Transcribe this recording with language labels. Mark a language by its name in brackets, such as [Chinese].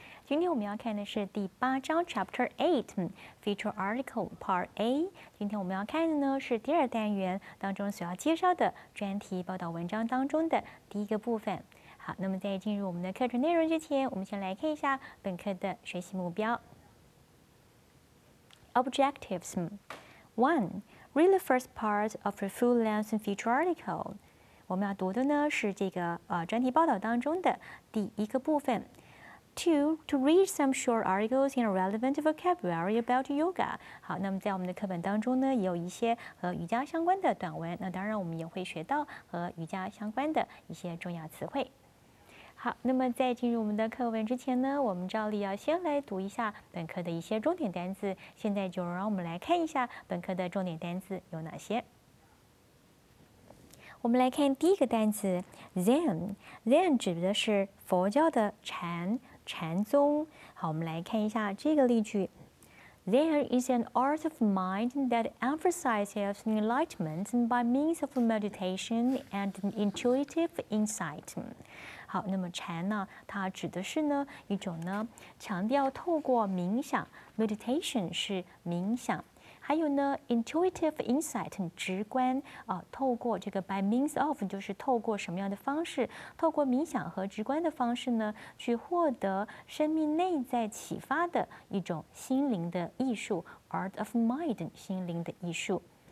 [Chinese] 今天我们要看的是第八章 [English] Chapter 8 Feature Article Part A。 [Chinese] 今天我们要看的呢是第二单元当中所要介绍的专题报道文章当中的第一个部分。好，那么在进入我们的课程内容之前，我们先来看一下本课的学习目标。 [English] Objectives 1. Read the first part of the full-length feature article. [Chinese] 我们要读的呢是这个专题报道当中的第一个部分。 [English] 2. To read some short articles in a relevant vocabulary about yoga. [Chinese] 好，那么在我们的课本当中呢也有一些和瑜伽相关的短文，那当然我们也会学到和瑜伽相关的一些重要词汇。好，那么在进入我们的课文之前呢，我们照例要先来读一下本课的一些重点单词。现在就让我们来看一下本课的重点单词有哪些。我们来看第一个单词 Zen。Zen 指的是佛教的禅宗。好，我们来看一下这个例句。 [English] Zen is an art of mind that emphasizes enlightenment by means of meditation and intuitive insight。 [Chinese] 好，那么禅呢，它指的是呢一种呢强调透过冥想 meditation 是冥想，还有呢 intuitive insight 直观透过这个 [English] by means of [Chinese] 就是透过什么样的方式，透过冥想和直观的方式呢去获得生命内在启发的一种心灵的艺术 [English] art of mind [Chinese] 心灵的艺术。